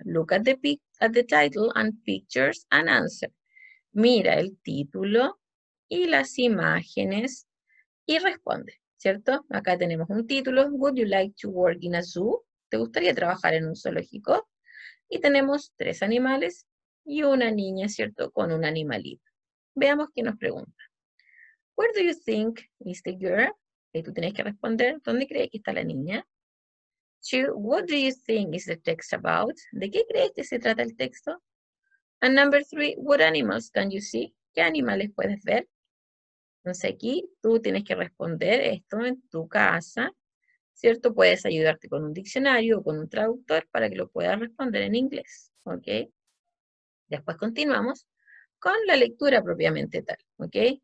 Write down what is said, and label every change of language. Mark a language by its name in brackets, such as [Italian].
[English] Look at the title and pictures and answer. [Spanish] Mira el título y las imágenes y responde, ¿cierto? Acá tenemos un título. [English] Would you like to work in a zoo? [Spanish] ¿Te gustaría trabajar en un zoológico? Y tenemos tres animales y una niña, ¿cierto? Con un animalito. Veamos qué nos pregunta. [English] Where do you think is the girl? [Spanish] Y tú tienes que responder, ¿dónde crees que está la niña? [English] Two, what do you think is the text about? [Spanish] ¿De qué crees que se trata el texto? [English] And number three, what animals can you see? [Spanish] ¿Qué animales puedes ver? Entonces aquí tú tienes que responder esto en tu casa, ¿cierto? Puedes ayudarte con un diccionario o con un traductor para que lo puedas responder en inglés, ¿ok? Después continuamos con la lectura propiamente tal, ¿ok?